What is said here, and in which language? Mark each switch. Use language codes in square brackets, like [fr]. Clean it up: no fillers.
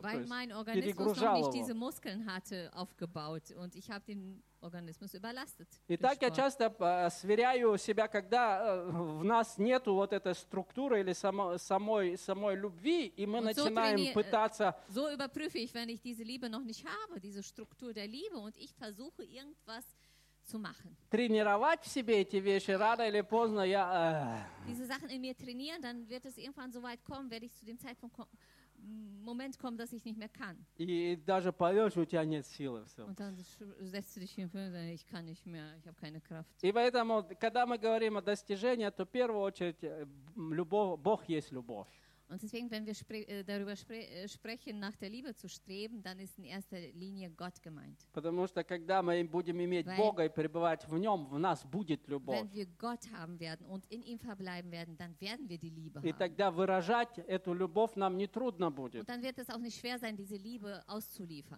[de] Weil mein Organismus noch nicht diese Muskeln hatte aufgebaut, und ich habe den Organismus überlastet. [ru] Итак, я часто сверяю себя, когда в нас нету вот этой структуры или самой любви, и мы начинаем пытаться. [de] So überprüfe ich, wenn ich diese Liebe noch nicht habe, diese Struktur der Liebe, und ich versuche irgendwas zu machen. [ru] Тренировать в себе эти вещи рано или поздно я. [de] Diese Sachen in mir trainieren, dann wird es irgendwann so weit kommen, werde ich zu dem Zeitpunkt kommen. Moment kommt, dass ich nicht mehr kann. [ru] И даже поешь, у тебя нет силы. Все. [de] Und dann setzt du dich hin und sagst, ich kann nicht mehr, ich habe keine Kraft. [ru] И поэтому, когда мы говорим о достижении, то в первую очередь Бог есть любовь. [de] Und deswegen, wenn wir darüber sprechen, nach der Liebe zu streben, dann ist in erster Linie Gott gemeint. [ru] Потому что, когда мы будем иметь [de] Weil [ru] Бога и пребывать в Нем, в нас будет любовь. [de] Wenn wir Gott haben werden und in ihm verbleiben werden, dann werden wir die Liebe [ru] и [de] haben. [ru] И тогда выражать эту любовь нам не трудно будет. [de] Und dann wird es auch nicht schwer sein, diese Liebe auszuliefern.